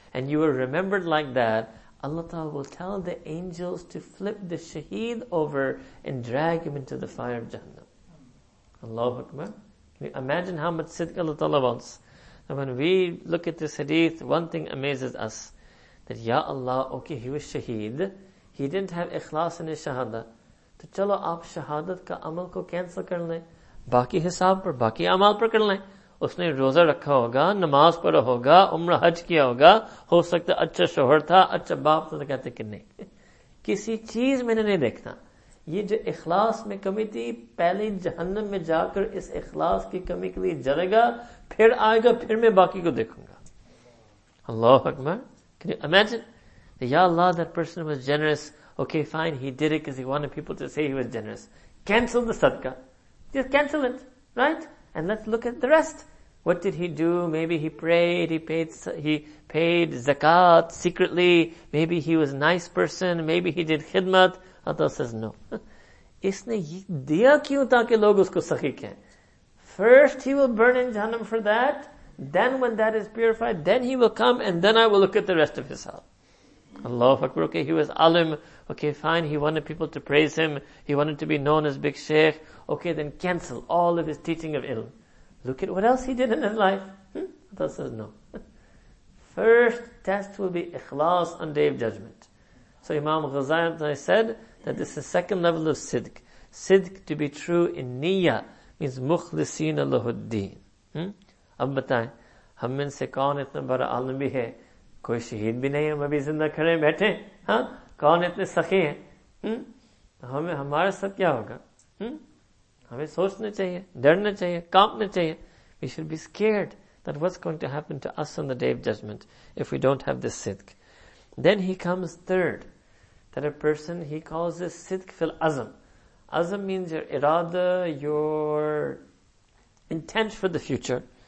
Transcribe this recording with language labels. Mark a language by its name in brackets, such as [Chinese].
[English] And you were remembered like that. Allah Ta'ala will tell the angels to flip the shaheed over and drag him into the fire of Jahannam. [Arabic] Allahu Akbar. [English] Can you imagine how much sidq Allah Ta'ala wants? And when we look at this hadith, one thing amazes us. That Ya Allah, okay, he was shaheed. He didn't have ikhlas in his shahada. [Urdu] تو چلو آپ شہادت کا عمل کو cancel کر لے، باقی حساب پر، باقی عمل پر کر لے. اس نے روزہ رکھا ہوگا، نماز پڑھا ہوگا، عمرہ حج کیا ہوگا، ہو سکتا اچھا شوہر تھا، اچھا باپ تھا، کہتے کہ نہیں. کسی چیز میں نے نہیں دیکھنا. یہ جو اخلاص میں کمی تھی، پہلے جہنم میں جا کر اس اخلاص کی کمی کے لیے جلے گا، پھر آئے گا، پھر میں باقی کو دیکھوں گا. [Arabic] Allahu Akbar. [English] Can you imagine? Ya Allah, that person was generous. Okay, fine, he did it because he wanted people to say he was generous. Cancel the sadqa. Just cancel it, right? And let's look at the rest. What did he do? Maybe he prayed, he paid zakat secretly. Maybe he was a nice person. Maybe he did khidmat. Allah says, no. [Urdu] اس نے یہ دیا کیوں تاکہ لوگ اس کو سخی کہیں؟ [English] First he will burn in Jahannam for that. Then when that is purified, then he will come and then I will look at the rest of his hal. [Arabic] Allahu Akbar, [English] okay, he was alim. Okay, fine, he wanted people to praise him. He wanted to be known as big sheikh. Okay, then cancel all of his teaching of ilm. Look at what else he did in his life. Allah says, no. First test will be ikhlas on day of judgment. So Imam Ghazali said that this is the second level of sidq. Sidq, to be true in niyya, means [Arabic] mukhlisin lahuddin. [Urdu] اب بتائیں، ہم میں سے کون اتنا بڑا عالم بھی ہے، کوئی شہید بھی نہیں، ہم ابھی زندہ کھڑے ہیں، بیٹھے ہیں، ہاں؟ کون اتنے سخی ہیں؟ ہمارے ساتھ کیا ہوگا؟ ہمیں سوچنا چاہیے، ڈرنا چاہیے، کانپنا چاہیے. [English] We should be scared that what's going to happen to us on the day of judgment if we don't have this sidq. Then he comes third, that a person, he calls this [Arabic] sidq fil azam. [English] Azam means your irada, your intent for the future.